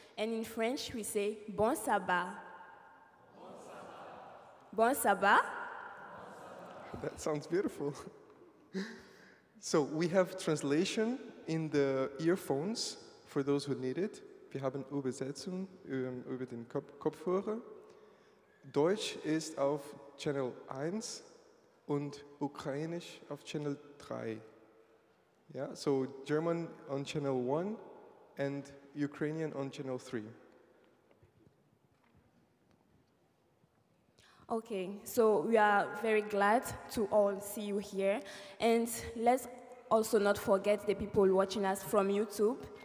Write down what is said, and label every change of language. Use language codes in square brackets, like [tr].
[en] And in French, we say [fr] Bon Sabbat. Bon Sabbat. Bon Sabbat. [en] That sounds beautiful. So we have translation in the earphones for those who need it. [de] Wir haben Übersetzung über den Kopfhörer. Deutsch ist auf Channel 1 und Ukrainisch auf Channel 3. [en] Yeah, so German on Channel 1 and Ukrainian on Channel 3. Okay, so we are very glad to all see you here. And let's also not forget the people watching us from YouTube.